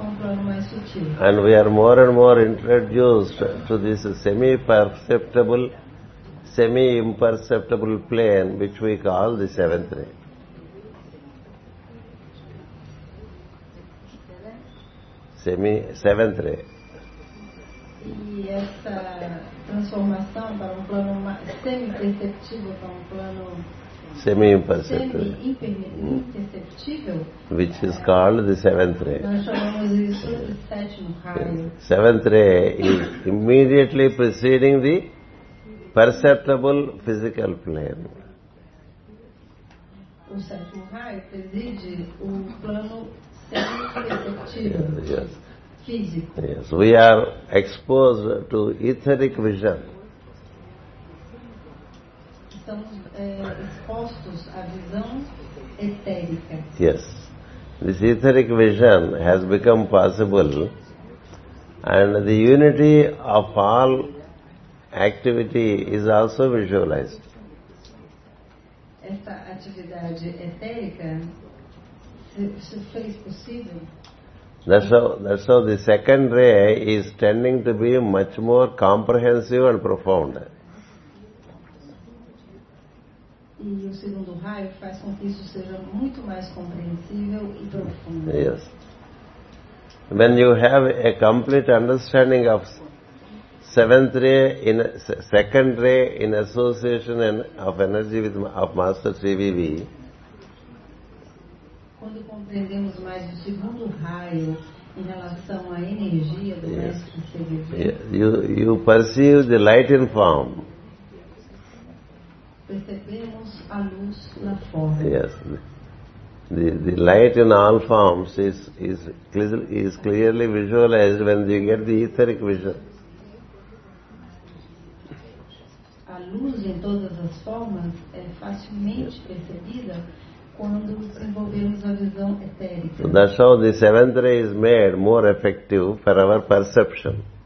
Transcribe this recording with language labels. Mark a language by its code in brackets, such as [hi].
[en] And we are more and more introduced to this semi-perceptible, semi-imperceptible plane which we call the seventh ray. [pt] E essa transformação para um plano semi-perceptível para um plano semi-imperceptível, [en] which is called the seventh ray. [pt] Nós chamamos isso de sétimo raio. [en] Seventh ray is immediately preceding the perceptible physical plane. [pt] O sétimo raio preside o plano semi-perceptível. [en] Yes. Yes, we are exposed to etheric vision. [pt] Estamos expostos à visão etérica. [en] Yes, this etheric vision has become possible, and the unity of all activity is also visualized. [pt] Esta atividade etérica se fez possível. [en] That's how the second ray is tending to be much more comprehensive and profound. [pt] E o segundo raio faz com que isso seja muito mais compreensível e profundo. [en] Yes. When you have a complete understanding of seventh ray in second ray in association and of energy with of Master CVV. [pt] Quando compreendemos mais o segundo raio in relação à energia do mestre do serviço. [en] You perceive the light in form. [pt] Percebemos a luz na forma. [en] Yes. The light in all forms is clearly visualized when you get the etheric vision. [pt] A luz em todas as formas é facilmente percebida quando desenvolvemos a visão etérica. [en] So that's how the seventh ray is made more effective for our perception.